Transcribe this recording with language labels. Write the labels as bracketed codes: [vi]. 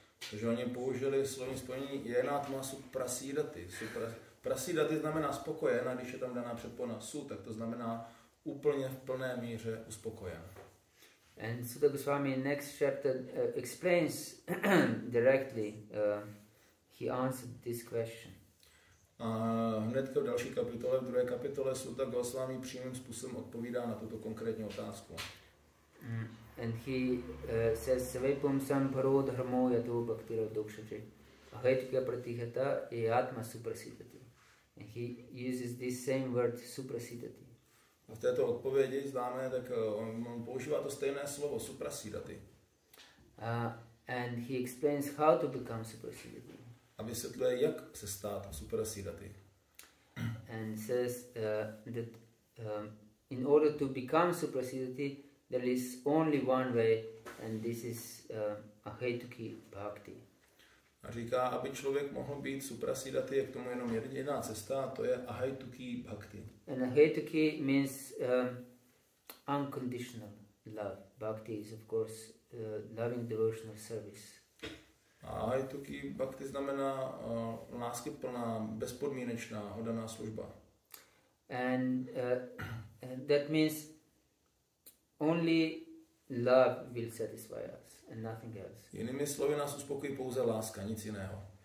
[cs] Takže oni použili slovní spojení yenatma suprasidati. Prasidati znamená spokojen, a když je tam daná předpona su, tak to znamená úplně v plné míře uspokojen. [en] And Sutta Goswami in next chapter explains directly, he answered this question. [cs] A hned v další kapitole, v druhé kapitole, Sutta Goswami přímým způsobem odpovídá na tuto konkrétní otázku. [en] And he says, [sa] Svepum sam parod hrmo yato bhaktira dokshati. Ahetika pratihata e atma suprasidati. [en] And he uses this same word, suprasidati. [cs] A v této odpovědi známe, tak on používá to stejné slovo, suprasidati. [en] And he explains how to become suprasidati. [cs] A vysvětluje, jak se stát superasídaty. [en] And says that in order to become superasídaty, there is only one way, and this is ahetuki bhakti. [cs] A říká, aby člověk mohl být superasídaty, je k tomu jenom jediná cesta, a to je ahetuki bhakti. [en] And ahetuki means unconditional love. Bhakti is of course loving devotional service. [cs] Ahetuki bhakti znamená láskyplná, bezpodmínečná, oddaná služba. [en] And that means only love will satisfy us and nothing else. [cs] Jinými slovy, nás uspokojí pouze láska, nic jiného.